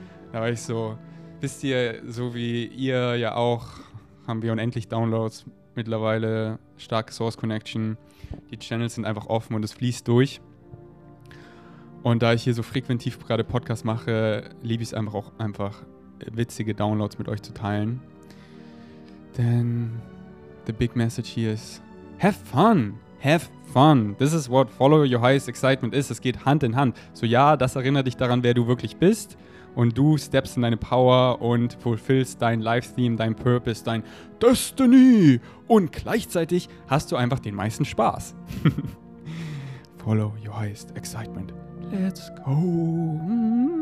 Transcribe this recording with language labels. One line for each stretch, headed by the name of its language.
German: Da war ich so, wisst ihr, so wie ihr ja auch, haben wir unendlich Downloads mittlerweile, starke Source Connection, die Channels sind einfach offen und es fließt durch. Und da ich hier so frequentiv gerade Podcasts mache, liebe ich es einfach auch einfach, witzige Downloads mit euch zu teilen.
English: Denn the big message here is, have fun, have fun. This is what follow your highest excitement is.
German: Es geht Hand in Hand. So ja, das erinnert dich daran, wer du wirklich bist. Und du steppst in deine Power und fulfillst dein Life Theme, dein Purpose, dein Destiny. Und gleichzeitig hast du einfach den meisten Spaß.
English: Follow your highest excitement. Let's go.